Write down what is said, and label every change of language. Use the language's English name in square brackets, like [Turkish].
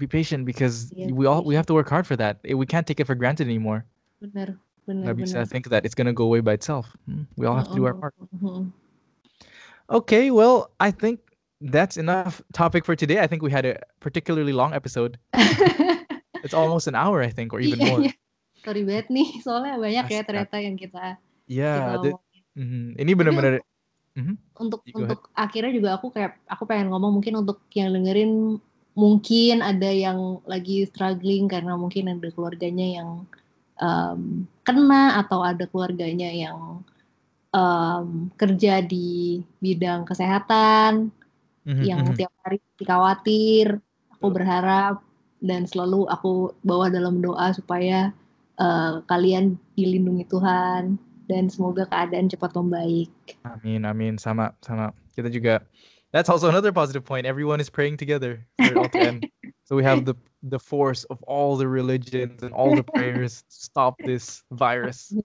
[English] Be patient because we have to work hard for that. We can't take it for granted anymore. [Indonesian] Benar. [English] I think that it's gonna go away by itself. We all have to do our part. Okay. Well, I think that's enough topic for today. I think we had a particularly long episode. It's almost an hour, I think, or even more. [Indonesian] Sorry banget nih. Soalnya banyak ya ternyata yang kita. [English] Yeah. [Indonesian] Ini benar-benar. Untuk akhirnya juga aku pengen ngomong mungkin untuk yang dengerin mungkin ada yang lagi struggling karena mungkin ada keluarganya yang kena atau ada keluarganya yang kerja di bidang kesehatan yang tiap hari dikhawatir. Aku berharap dan selalu aku bawa dalam doa supaya kalian dilindungi Tuhan. Dan semoga keadaan cepat membaik. Amin. Sama. Kita juga. [English] That's also another positive point. Everyone is praying together. So we have the force of all the religions and all the prayers to stop this virus.